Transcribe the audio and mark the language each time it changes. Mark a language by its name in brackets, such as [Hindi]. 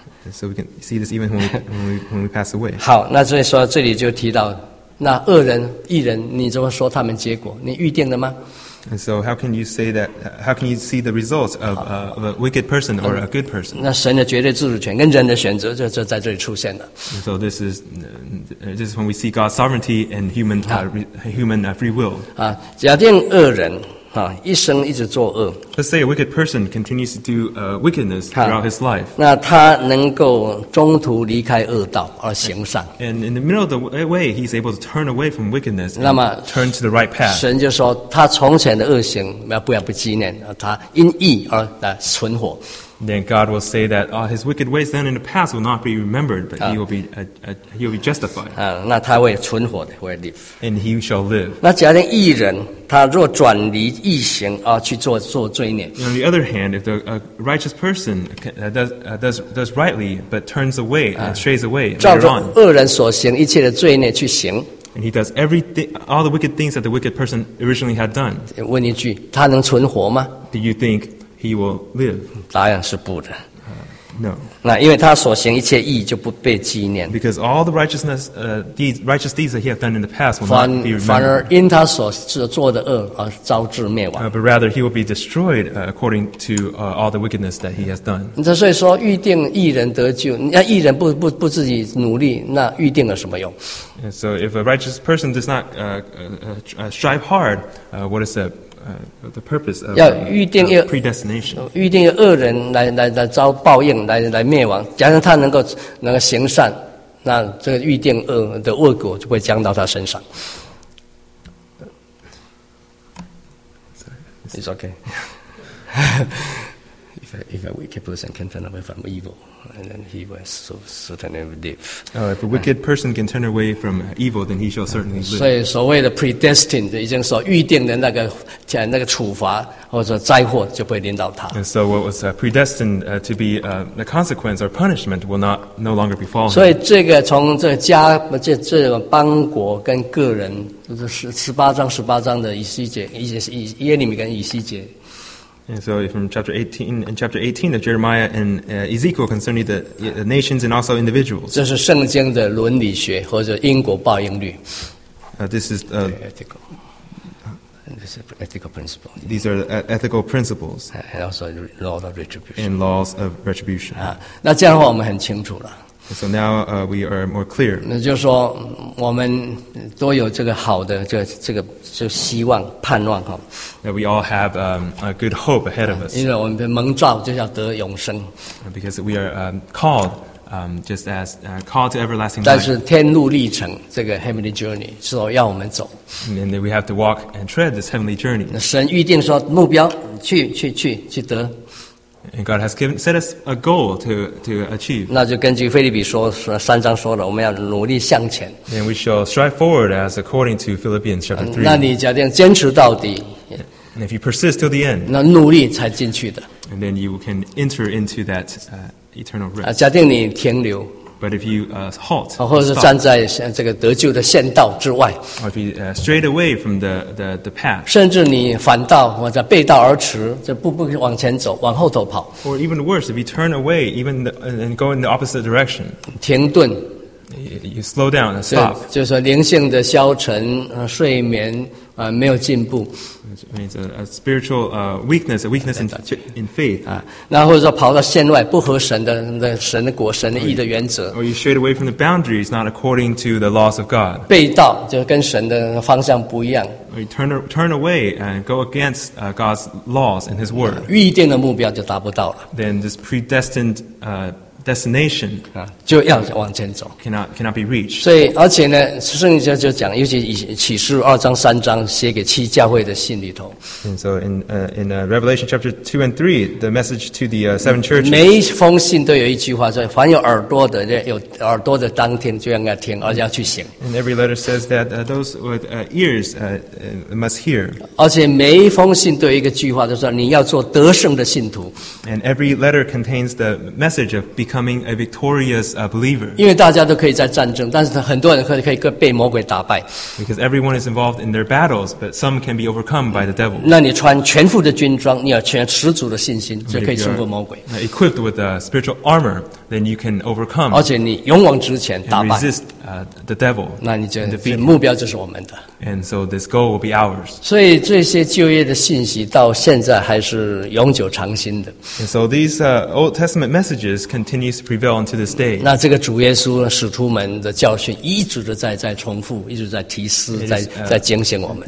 [English] So we can see this even when we pass away. [Chinese] 好，那所以说这里就提到那恶人、义人，你怎么说他们结果？你预定了吗 [English] ？And so how can you say that? How can you see the results of a wicked person or a good person? [Chinese] 那神的绝对自主权跟人的选择就在这里出现了。 [English] And、so this is when we see God's sovereignty and human free will. [Chinese] 啊，假定恶人。啊，一生一直作恶。 [English] Let's say a wicked person continues to do wickedness throughout his life. [Chinese] 那他能够中途离开恶道而行善。 [English] And in the middle of the way, he's able to turn away from wickedness and turn to the right path. [Chinese] 神就说他从前的恶行不要不纪念，他因义而存活。 [English] Then God will say that his wicked ways then in the past will not be remembered, but he will be justified. [Chinese] 那他会存活的，会 live. [English] And he shall live. [Chinese] 那假定义人，他若转离义行啊，去做罪孽。 [English] On the other hand, if the righteous person does rightly but turns away and strays away, [Chinese] 照着恶人所行一切的罪孽去行。 [English] And he does everything, all the wicked things that the wicked person originally had done. [Chinese] 问一句，他能存活吗 [English] ？Do you think? He will live. [Chinese] 答案是不的。 [English] No. [Chinese] 那因为他所行一切义就不被纪念。 [English] Because all the righteous deeds that he has done in the past will not be remembered. [Chinese] 反而因他所做的恶而遭致灭亡。 [English] But rather he will be destroyed according to all the wickedness that he has done. [Chinese] 那所以说预定义人得救，那义人不自己努力，那预定了什么用 [English] ？And so if a righteous person does not strive hard, what is the purpose of [Chinese] 要预定一个 predestination，预定一个恶人来遭报应，来灭亡。假如他能够行善，那这个预定恶的恶果就会降到他身上。 [English] Sorry, it's okay. if a wicked person can turn away from evil, and then he will certainly live. If a wicked person can turn away from evil, then he shall certainly live. [Chinese] 所以所谓的 predestined， 已经说预定的那个处罚或者灾祸就不会临到他。 [English] And so what was predestined to be the consequence or punishment will not no longer befall him. [Chinese] 所以这个从这个家这个邦国跟个人，就是十八章的以西结，耶利米跟以西结。 [English] And so from chapter 18 of Jeremiah and Ezekiel concerning the nations and also individuals. [Chinese] 这是圣经的伦理学或者因果报应律。 [English] This is ethical. This is ethical principle. These are ethical principles. And also law of retribution. And laws of retribution. [Chinese] 那这样的话我们很清楚了。 [English] So now we are more clear. [Chinese] 那就是说，我们都有这个好的这个希望盼望哈。 [English] That we all have a good hope ahead of us. [Chinese] 因为我们蒙召就要得永生。 [English] Because we are called, just as called to everlasting [Chinese] life. 但是天路历程这个 heavenly journey 是要我们走。 [English] And then we have to walk and tread this heavenly journey. [Chinese] 神预定说目标去得。 [English] And God has set us a goal to achieve. [Chinese] 那就根据腓立比说三章说了，我们要努力向前。 [English] And we shall strive forward as according to Philippians chapter 3. [Chinese] 那你假定坚持到底。 [English] And if you persist till the end. [Chinese] 那努力才进去的。 [English] And then you can enter into that eternal rest. [Chinese] 假定你停留。 [English] But if you halt, [Chinese] 或者是站在这个得救的线道之外， [English] or if you strayed away from the path, [Chinese] 甚至你反倒或者背道而驰，就不往前走，往后头跑。 [English] Or even worse, if you turn away, even and go in the opposite direction, [Chinese] 停顿， [English] you slow down and stop. [Chinese] 就是说灵性的消沉，睡眠没有进步。 [English] It's a spiritual weakness, a weakness in faith. [Chinese] 那或者说跑到线外，不合神的果、神的义的原则。 [English] Or you strayed away from the boundaries, not according to the laws of God. [Chinese] 背道就跟神的方向不一样。 [English] Or you turn away and go against God's laws and His word. [Chinese] 预定的目标就达不到了。 [English] Then this predestined destination [Chinese] 就要往前走 [English] cannot be reached. [Chinese] 所以而且呢，圣经就讲，尤其启示录二章三章写给七教会的信里头。 [English] And so in Revelation chapter 2 and 3, the message to the seven churches. [Chinese] 每一封信都有一句话说，凡有耳朵的，有耳朵的当天就应该听，而且要去行。 [English] And every letter says that those with ears must hear. [Chinese] 而且每一封信都有一个句话，就说你要做得胜的信徒。 [English] And every letter contains the message of becoming a victorious believer. [Chinese] 因为大家都可以在战争，但是很多人可以被魔鬼打败。 [English] Because everyone is involved in their battles, but some can be overcome by the devil. [Chinese] 那你穿全副的军装，你要全十足的信心，就可以胜过魔鬼。 [English] Equipped with a spiritual armor, then you can overcome. [Chinese] 而且你勇往直前，打败。 [English] Resist the devil. [Chinese] 那你就目标就是我们的。 [English] And so this goal will be ours. [Chinese] 所以这些旧约的信息到现在还是永久长新的。 [English] And so these Old Testament messages continue to prevail until this day. [Chinese] 那这个主耶稣使徒们的教训一直的在重复，一直在提示，在警醒我们。